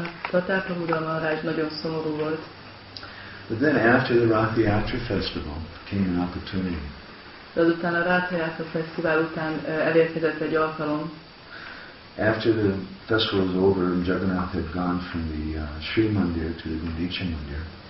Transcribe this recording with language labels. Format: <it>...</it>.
<hu>Pratapabuddha Maharaj nagyon szomorú volt.</hu> <en>But then after the Rathayatra festival came an opportunity.</en> <hu>De azután a Rathayatra festival után elérkezett egy alkalom.</hu> <en>After the festival was over, Jagannath had gone from the Sri Mandir to the Gaudiya Mandir.</en>